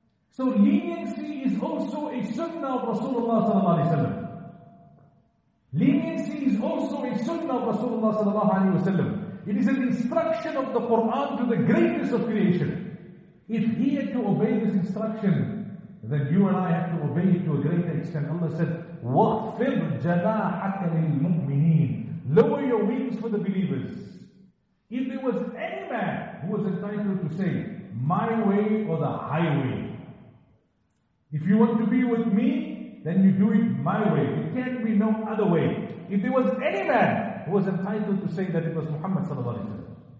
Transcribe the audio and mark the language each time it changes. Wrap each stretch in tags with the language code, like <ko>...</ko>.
<en>So leniency is also a sunnah of Rasulullah sallallahu alayhi wa sallam. Leniency is also a sunnah of Rasulullah sallallahu alayhi wa sallam. It is an instruction of the Quran to the greatness of creation. If he had to obey this instruction, then you and I have to obey it to a greater extent.</en> <ar>Allah said, وَخْفِرْ جَنَاحَكَ لِلْمُؤْمِنِينَ.</ar> <en>Lower your wings for the believers. If there was any man who was entitled to say, my way or the highway, if you want to be with me, then you do it my way. It can't be no other way. If there was any man who was entitled to say that, it was Muhammad sallallahu alayhi wa sallam.</en>